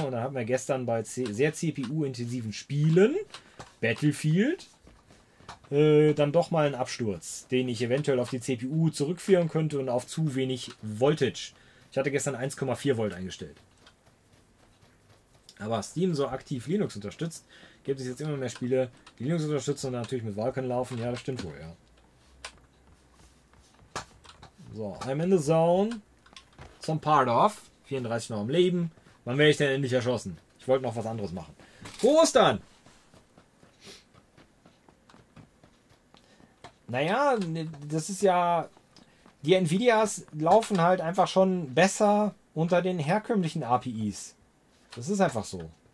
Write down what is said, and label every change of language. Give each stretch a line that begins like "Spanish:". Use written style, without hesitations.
German: Und dann hatten wir gestern bei sehr CPU-intensiven Spielen, Battlefield, dann doch mal einen Absturz, den ich eventuell auf die CPU zurückführen könnte und auf zu wenig Voltage. Ich hatte gestern 1,4 Volt eingestellt. Aber Steam so aktiv Linux unterstützt, gibt es jetzt immer mehr Spiele, die Linux unterstützen und natürlich mit Vulkan laufen. Ja, das stimmt wohl, ja.
English: So, I'm in the zone. Some part of.
German: 34 noch am Leben. Wann werde ich denn endlich erschossen? Ich wollte noch was anderes machen. Frohe Ostern! Naja, das ist ja... Die Nvidias laufen halt einfach schon besser unter den herkömmlichen APIs. Das ist einfach so.